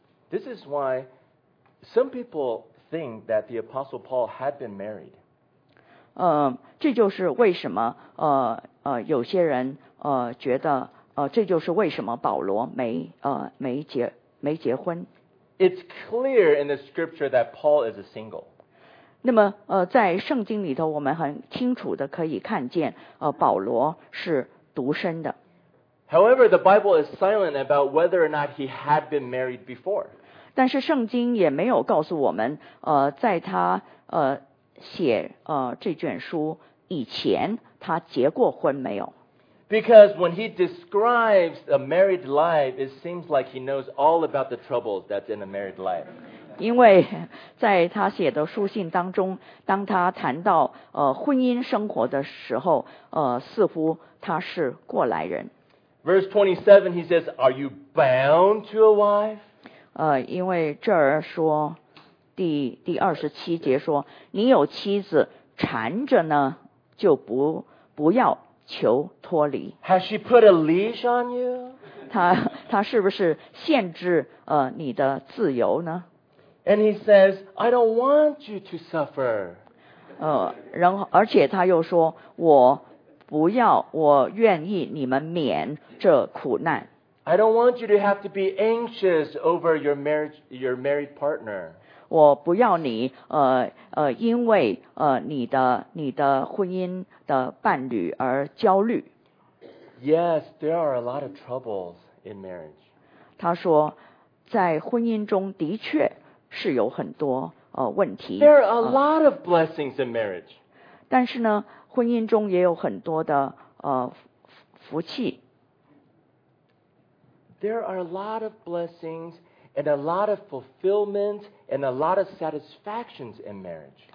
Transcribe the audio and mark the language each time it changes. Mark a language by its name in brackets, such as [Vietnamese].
[English] This is why some people think that the Apostle Paul had been married. [Chinese] 这就是为什么有些人觉得这就是为什么保罗没结婚。 [English] It's clear in the scripture that Paul is a single. [Chinese] 那么在圣经里头我们很清楚的可以看见保罗是独身的。 [English] However, the Bible is silent about whether or not he had been married before. [Chinese] 但是圣经也没有告诉我们在他写这卷书以前他结过婚没有。 [English] Because when he describes a married life, it seems like he knows all about the troubles that's in a married life. [Chinese] 因为在他写的书信当中，当他谈到婚姻生活的时候，似乎他是过来人。 [English] Verse 27, he says, "Are you bound to a wife?" [Chinese] 因为这儿说第二十七节说，你有妻子缠着呢，就不要。求脱离。 [English] Has she put a leash on you? [Chinese] 她是不是限制你的自由呢？ [English] And he says, I don't want you to suffer. [Chinese] 然后而且他又说，我不要，我愿意你们免这苦难。 [English] I don't want you to have to be anxious over your married partner. [Chinese] 我不要你因为你的婚姻的伴侣而焦虑。 [English] Yes, there are a lot of troubles in marriage. [Chinese] 他说，在婚姻中的确是有很多问题。 [English] There are a lot of blessings in marriage. [Chinese] 但是呢，婚姻中也有很多的福气。 [English] There are a lot of blessings and a lot of fulfillment and a lot of satisfactions in marriage.